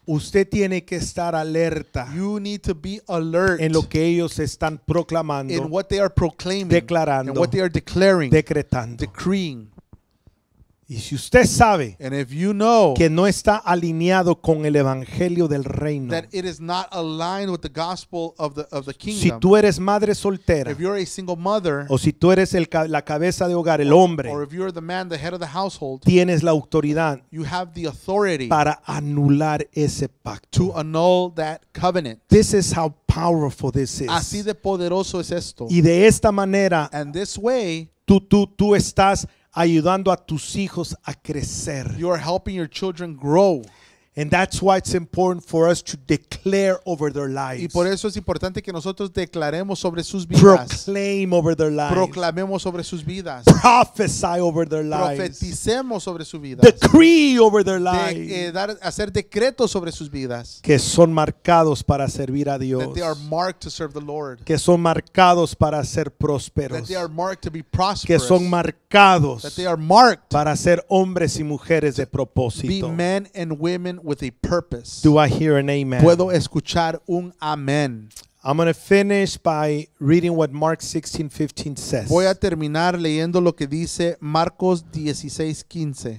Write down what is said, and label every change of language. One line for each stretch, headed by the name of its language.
Spanish: usted tiene que estar alerta.
English: You need to be alert
Spanish: en lo que ellos están proclamando,
English: in what they are proclaiming,
Spanish: declarando,
English: in what they are declaring,
Spanish: decretando,
English: decreeing.
Spanish: Y si usted sabe,
English: and if you know,
Spanish: que no está alineado con el evangelio del reino,
English: that it is not aligned with the gospel of the kingdom.
Spanish: Si tú eres madre soltera,
English: if you're a single mother,
Spanish: o si tú eres la cabeza de hogar, el hombre,
English: or if you're the man, the head of the household,
Spanish: tienes la autoridad,
English: you have the authority,
Spanish: para anular ese pacto,
English: to annul that covenant. This is how powerful this is.
Spanish: Así de poderoso es esto. Y de esta manera,
English: and this way,
Spanish: tú estás ayudando a tus hijos a crecer.
English: You are helping your children grow. And that's why it's important for us to declare over their lives.
Spanish: Y por eso es importante que nosotros declaremos sobre sus vidas.
English: Proclaim over their lives.
Spanish: Proclamemos sobre sus vidas.
English: Prophesy over their lives.
Spanish: Profeticemos sobre sus vidas.
English: Decree over their lives.
Spanish: Hacer decretos sobre sus vidas. Que son marcados para servir a Dios.
English: That they are marked to serve the Lord.
Spanish: Que son marcados para ser prósperos.
English: That they are marked to be prosperous.
Spanish: Que son marcados.
English: That they are marked
Spanish: para ser hombres y mujeres de propósito.
English: Be men and women with a purpose. Do I hear an amen?
Spanish: Puedo escuchar un amen.
English: I'm going to finish by reading what Mark 16:15 says.
Spanish: Voy a terminar leyendo lo que dice Marcos 16:15.